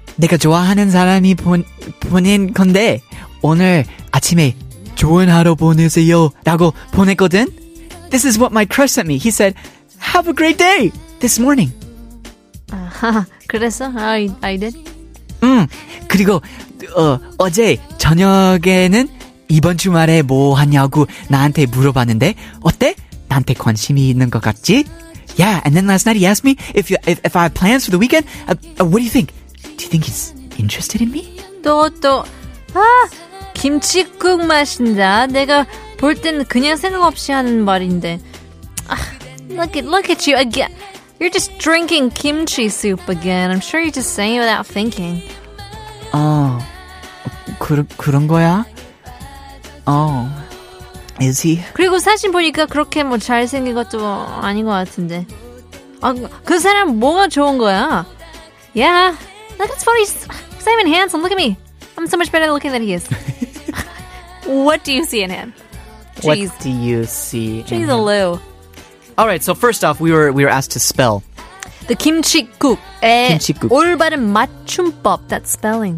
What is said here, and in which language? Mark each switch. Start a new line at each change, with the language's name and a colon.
Korean: 내가 좋아하는 사람이 보낸 건데 오늘 아침에 좋은 하루 보내세요 라고 보냈거든?
English: This is what my crush sent me. He said, have a great day this morning.
Korean: 그래서
English: I did.
Korean: 그리고 어제 저녁에는 이번 주말에 뭐 하냐고 나한테 물어봤는데 어때? 나한테 관심이 있는 것 같지?
English: Yeah, and then last night he asked me if I have plans for the weekend. What do you think? Do you think he's interested in me?
Korean: 또 아, 김치국 마신다. 내가 볼 땐 그냥 생각 없이 하는 말인데.
English: 아, look at you again. You're just drinking kimchi soup again. I'm sure you're just saying it without thinking. Oh,
Korean: 그런 거야?
English: Oh, is he?
Korean: 그리고 사진 보니까 그렇게 뭐 잘생긴 것도 아닌 것 같은데. 아, 그 사람 뭐가 좋은 거야?
English: Yeah, look, it's funny. Simon handsome, look at me. I'm so much better looking than he is. What do you see in him? Jeez. What do you see Jeez in him? Jeez, Lou. All right, so first off, we were asked to spell.
Korean: The 김치국의 올바른 맞춤법,
English: that spelling.